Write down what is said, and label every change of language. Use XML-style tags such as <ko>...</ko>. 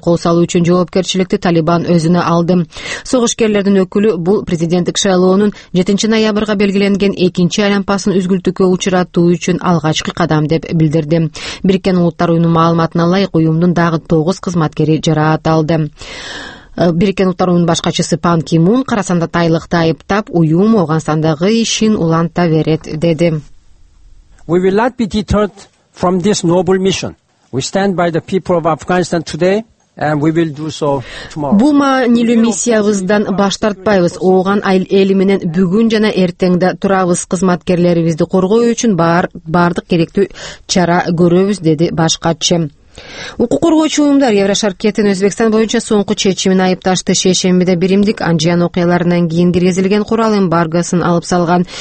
<ky>Кол салуу үчүн жоопкерчиликти Талибан өзүнө алды. Согушкерлердин өкүлү бул президенттик шайлоонун 7 ноябрга белгиленген 2-нчи айлампасын үзгүлтүккө учуратуу үчүн алгачкы кадам деп билдирди. Бириккен улуттар уюмунун маалыматына ылайык, уюмдун дагы 9 кызматкери жараат алды. Бириккен улуттар уюмунун баш катчысы Пан Ки Мун карасанда тайлыкты айыптап, уюм Ооганстандагы ишин уланта берет деди.</ky> <en>We will not be deterred from this noble mission. We stand by the people of Afghanistan today. And we will do so tomorrow.</en> <ky>Бул маанилүү миссиябыздан баш тартпайбыз. Ооган эли менен бүгүн жана эртеңде турабыз. Кызматкерлерибизди коргоо үчүн бардык керектүү чара көрөбүз, деди баш катчы. Укук коргоочу уюмдар Еврошарк кетин Өзбекстан боюнча соңку чечимин айыпташты. Шейшембиде биримдик Анжиян окуяларынан кийин киргизилген курал эмбаргосун алып салган.</ky>